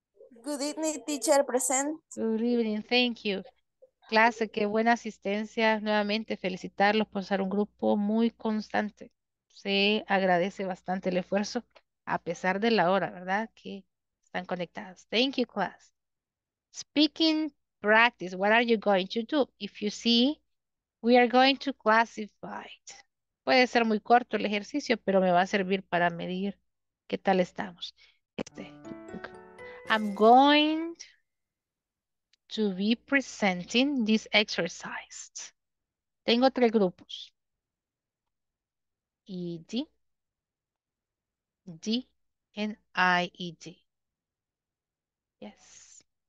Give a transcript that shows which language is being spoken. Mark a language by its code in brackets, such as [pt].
[en] Good evening, teacher. Present. Good evening, thank you. [es] Clase, qué buena asistencia. Nuevamente, felicitarlos por ser un grupo muy constante. Se agradece bastante el esfuerzo, a pesar de la hora, ¿verdad? Que están conectadas. [en] Thank you, class. Speaking practice, what are you going to do? If you see, we are going to classify it. [es] Puede ser muy corto el ejercicio, pero me va a servir para medir qué tal estamos. [en] I'm going to be presenting this exercise. [es] Tengo tres grupos. ED, D, and IED. Yes.